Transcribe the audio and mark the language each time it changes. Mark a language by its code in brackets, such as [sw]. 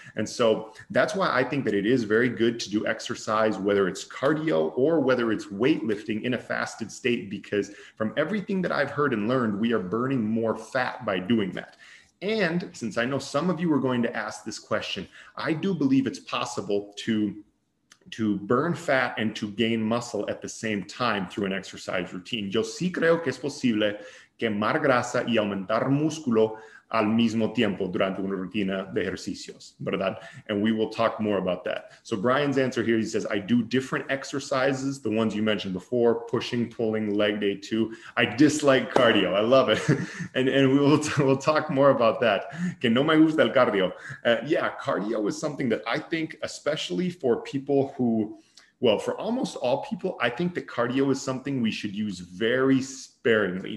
[en] And so that's why I think that it is very good to do exercise, whether it's cardio or whether it's weightlifting, in a fasted state, because from everything that I've heard and learned, we are burning more fat by doing that. And since I know some of you are going to ask this question, I do believe it's possible to burn fat and to gain muscle at the same time through an exercise routine. [es] Yo sí creo que es posible quemar grasa y aumentar músculo al mismo tiempo durante una rutina de ejercicios, ¿verdad? [en] And we will talk more about that. So Brian's answer here, he says, I do different exercises, the ones you mentioned before, pushing, pulling, leg day 2. I dislike cardio. I love it. And we'll talk more about that. [es] Que no me gusta el cardio. [en] Yeah, cardio is something that I think, especially for people who, well, for almost all people, I think that cardio is something we should use very sparingly.